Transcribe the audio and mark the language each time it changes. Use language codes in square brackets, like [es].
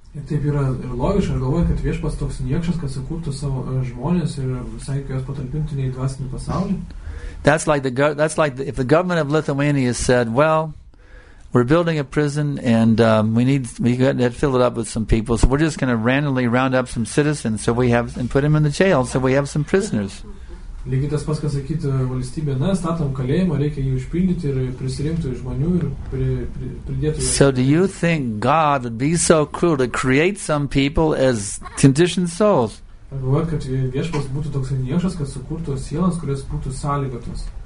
[en] That's like if the government of Lithuania said, well, we're building a prison and we got to fill it up with some people, so we're just going to randomly round up some citizens so we have and put them in the jail so we have some prisoners. [lt] Lygiai tas pats, kas sakyti valstybė, na, statom kalėjimą, reikia jį užpildyti ir prisirimti žmonių ir pridėti. [en] So do you think God would be so cruel to create some people as conditioned souls? [lt] Galvojat, kad viešpas būtų toks niekšas, kad sukurtų sielas, kurios būtų sąlygotos?